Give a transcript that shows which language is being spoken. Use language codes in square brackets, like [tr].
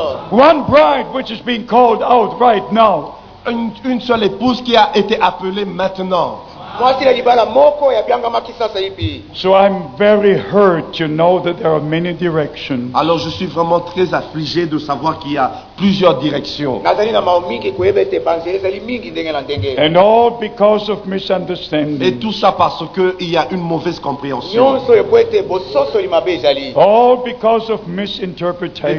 [en] One bride which is being called out right now. [fr] Une seule épouse qui a été appelée maintenant. [en] So I'm very hurt to know that there are many directions. [fr] Alors je suis vraiment très affligé de savoir qu'il y a plusieurs directions. [en] And all because of misunderstanding. [fr] Et tout ça parce que il y a une mauvaise compréhension. [en] All because of misinterpretation.